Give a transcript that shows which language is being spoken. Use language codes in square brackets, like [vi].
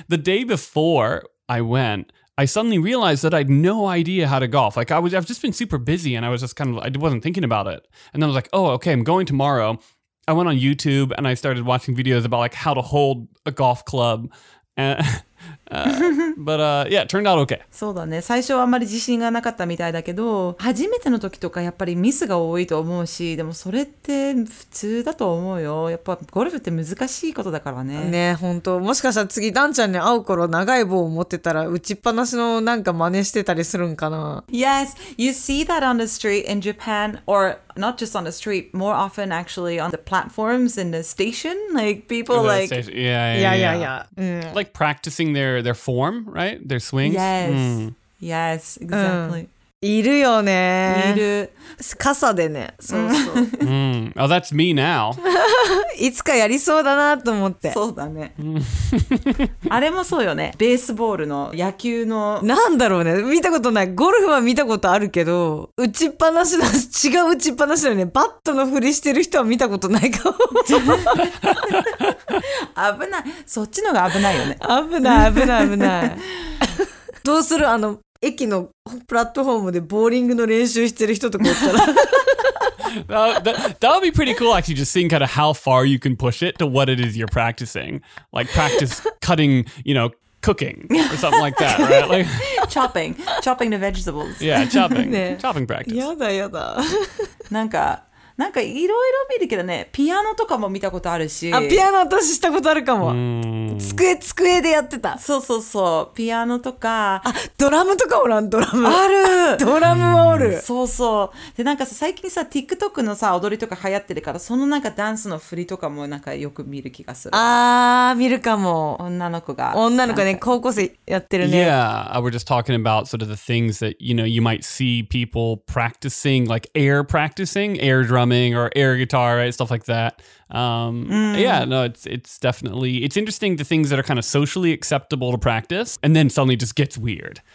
[en] The day before I went, I suddenly realized that I had no idea how to golf. Like I've just been super busy and I was just kind of, I wasn't thinking about it. And then I was like, oh, okay, I'm going tomorrow. I went on YouTube and I started watching videos about like how to hold a golf club. And yeah, turned out okay. [ja] そうだね。最初はあんまり自信がなかったみたいだけど、初めての時とかやっぱりミスが多いと思うし、でもそれって普通だと思うよ。やっぱゴルフって難しいことだからね。ね、本当。もしかしたら次ダンちゃんに会う頃長い棒を持ってたら打ちっぱなしのなんか真似してたりするんかな。 [en] Yes, you see that on the street in Japan, or not just on the street, more often actually on the platforms in the station, like people the like station. Yeah. Like practicing their form, right? Their swings. Yes, exactly. [ja] いるよね。いる。傘でね。そうそう。 [en] Oh, that's me now. [ja] いつかやりそうだなと思って。そうだね。あれもそうよね。ベースボールの野球の。なんだろうね。見たことない。ゴルフは見たことあるけど、打ちっぱなしの、違う打ちっぱなしのね。バットの振りしてる人は見たことないかも。危ない。そっちのが危ないよね。危ない。どうする？駅のプラットフォームでボーリングの練習してる人とかおったら。 [en] That would be pretty cool, actually, just seeing kind of how far you can push it to what it is you're practicing. Like, practice cutting, you know, cooking or something like that, right? Like, chopping the vegetables. Yeah, chopping. Chopping practice. [ja] やだ。なんかいろいろ見るけどね、ピアノとかも見たことあるし。あ、ピアノ私したことあるかも。机でやってた。そうそうそう。ピアノとか。あ、ドラムとかおらん、ドラム。ある。ドラムはおる。そうそう。で、なんかさ、最近さ、TikTok のさ、踊りとか流行ってるから、そのなんかダンスの振りとかもなんかよく見る気がする。あー、見るかも。女の子が。女の子ね、高校生やってるね。 [en] Yeah, I was just talking about sort of the things that, you know, you might see people practicing, like air practicing, air drumming or air guitar, right? Stuff like that. Yeah, no, it's definitely, it's interesting the things that are kind of socially acceptable to practice and then suddenly just gets weird.